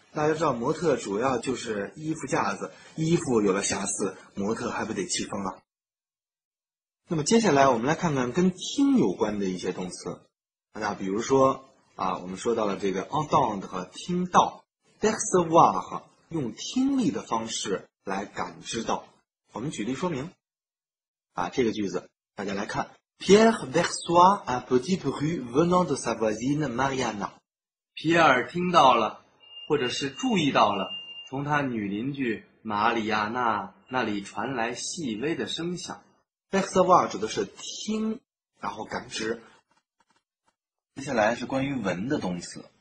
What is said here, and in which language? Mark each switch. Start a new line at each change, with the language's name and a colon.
Chinese: 大家知道模特主要就是衣服架子，衣服有了瑕疵，模特还不得气疯啊？那么接下来我们来看看跟听有关的一些动词，那比如说。啊，我们说到了这个 entendre 和听到 ，percevoir 用听力的方式来感知到。我们举例说明，啊，这个句子大家来看
French: ，Pierre perçoit un petit bruit venant de sa voisine Mariana。
Chinese: 皮埃尔听到了，或者是注意到了，从他女邻居玛里亚娜那里传来细微的声响。 percevoir 指的是听，然后感知。接下来是关于闻的动词